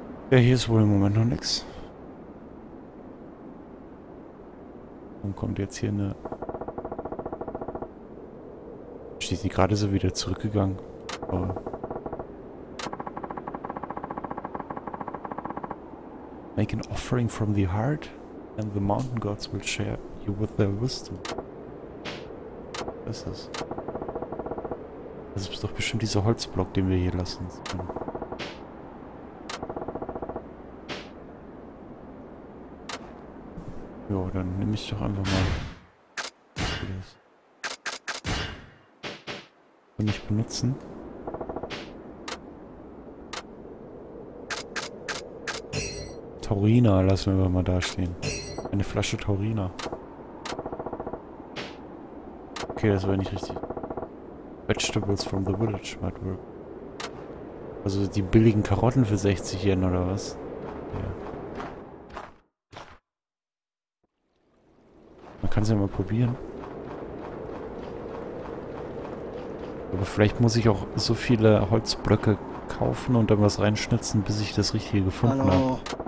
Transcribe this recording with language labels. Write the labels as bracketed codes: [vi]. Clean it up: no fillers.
[de] Ja, hier ist wohl im Moment noch nichts. Dann kommt jetzt hier eine... Die sind gerade so wieder zurückgegangen. [en] Aber make an offering from the heart and the mountain gods will share you with their wisdom. [de] Was ist das? Das ist doch bestimmt dieser Holzblock, den wir hier lassen. Jo, dann nehme ich doch einfach mal. Nicht benutzen. Taurina lassen wir mal da stehen. Eine Flasche Taurina. Okay, das war nicht richtig. [en] Vegetables from the village might work. [de] Also die billigen Karotten für 60 Yen oder was? Ja. Man kann sie ja mal probieren. Aber vielleicht muss ich auch so viele Holzblöcke kaufen und dann was reinschnitzen, bis ich das Richtige gefunden habe.